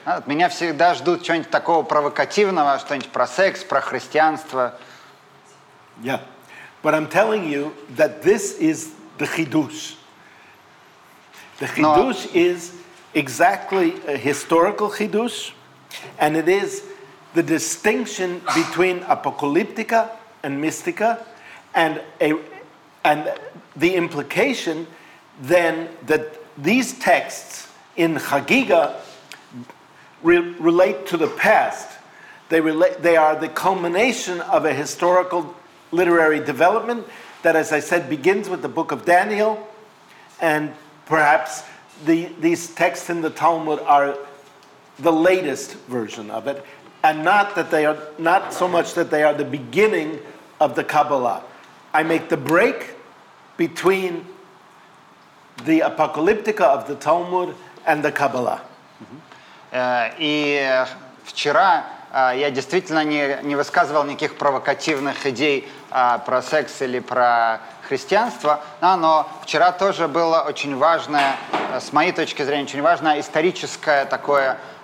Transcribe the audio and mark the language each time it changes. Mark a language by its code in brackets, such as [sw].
[ru] От меня всегда ждут чего-нибудь такого провокативного, что-нибудь про секс, про христианство. [en] Yeah. But I'm telling you that this is the chidush. The chidush is exactly a historical chidush, and it is the distinction between apocalyptica and mystica, and the implication then that these texts in Chagiga relate to the past. They are the culmination of a historical literary development that, as I said, begins with the Book of Daniel, and perhaps these texts in the Talmud are the latest version of it, and not that they are not so much that they are the beginning of the Kabbalah. I make the break between the Apocalyptica of the Talmud and the Kabbalah. [ru] Я действительно не высказывал никаких провокативных идей про секс или про христианство, но вчера тоже было очень важное, с моей точки зрения, очень важная историческая такая